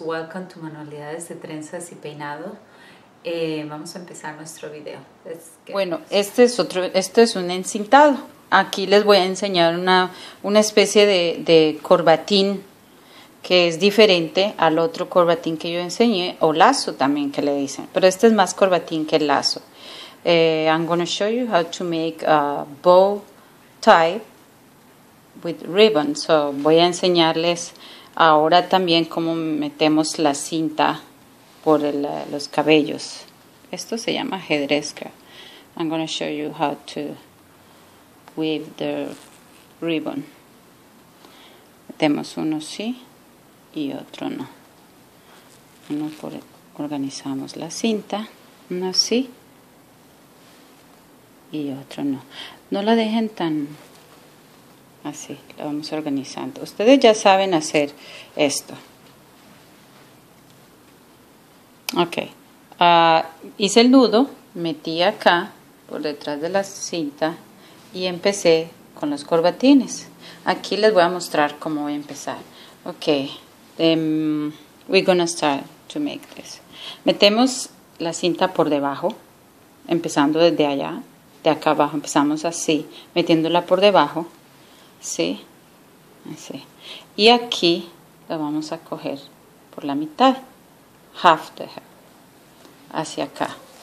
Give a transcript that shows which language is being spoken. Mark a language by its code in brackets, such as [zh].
[en] Welcome to Manualidades de Trenzas y Peinados. [es] Vamos a empezar nuestro video. Bueno, este es un encintado. Aquí les voy a enseñar una especie de corbatín que es diferente al otro corbatín que yo enseñé, o lazo también que le dicen, pero este es más corbatín que el lazo. [en] I'm going to show you how to make a bow tie with ribbon. [es] So voy a enseñarles ahora también cómo metemos la cinta por los cabellos. Esto se llama ajedrez. [en] I'm going to show you how to weave the ribbon. [es] Metemos uno sí y otro no. Uno por organizamos la cinta, uno sí y otro no. No la dejen tan así, la vamos organizando. Ustedes ya saben hacer esto. Ok, hice el nudo, metí acá por detrás de la cinta y empecé con los corbatines. Aquí les voy a mostrar cómo voy a empezar. [en] Ok, we're gonna start to make this. [es] Metemos la cinta por debajo, empezando desde allá, de acá abajo. Empezamos así, metiéndola por debajo. Sí, así. Y aquí la vamos a coger por la mitad, [en] half the hair, [es] hacia acá.